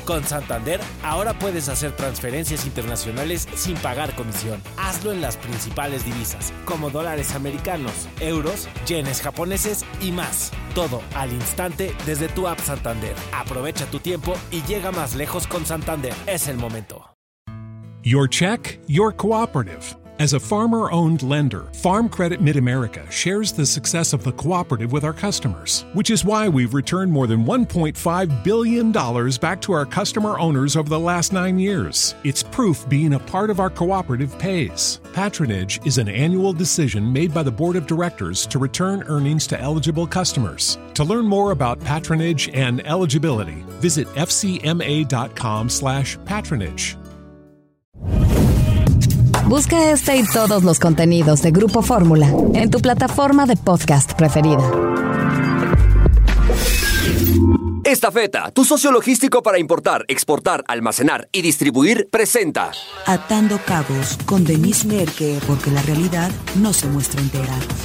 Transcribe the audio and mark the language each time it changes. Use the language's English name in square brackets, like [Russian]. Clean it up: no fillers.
[Spanish] Con Santander, ahora puedes hacer transferencias internacionales sin pagar comisión. Hazlo en las principales divisas, como dólares americanos, euros, yenes japoneses y más. Todo al instante desde tu app Santander. Aprovecha tu tiempo y llega más lejos con Santander. Es el momento. [English] Your check, your cooperative. As a farmer-owned lender, Farm Credit Mid-America shares the success of the cooperative with our customers, which is why we've returned more than $1.5 billion back to our customer owners over the last 9 years. It's proof being a part of our cooperative pays. Patronage is an annual decision made by the board of directors to return earnings to eligible customers. To learn more about patronage and eligibility, visit fcma.com/patronage. [Spanish] Busca este y todos los contenidos de Grupo Fórmula en tu plataforma de podcast preferida. Estafeta, tu socio logístico para importar, exportar, almacenar y distribuir, presenta Atando Cabos con Denise Merke, porque la realidad no se muestra entera.